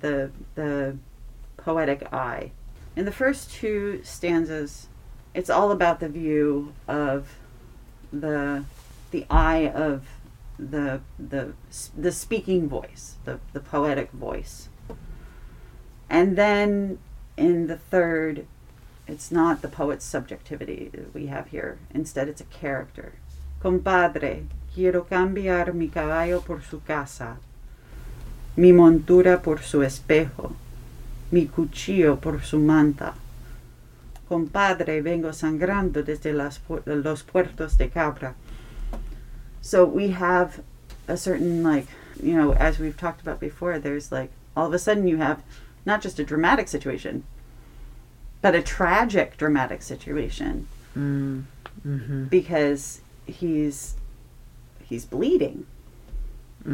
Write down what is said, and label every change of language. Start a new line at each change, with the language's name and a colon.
English: The poetic eye. In the first two stanzas, it's all about the view of the eye of the speaking voice, the poetic voice. And then in the third, it's not the poet's subjectivity that we have here. Instead, it's a character.
Spanish: Compadre, quiero cambiar mi caballo por su casa, mi montura por su espejo, mi cuchillo por su manta. Compadre, vengo sangrando desde los puertos de Cabra.
English: So we have a certain, like, you know, as we've talked about before, there's like, all of a sudden you have not just a dramatic situation, but a tragic dramatic situation. Mm-hmm. Because he's bleeding. Mm-hmm.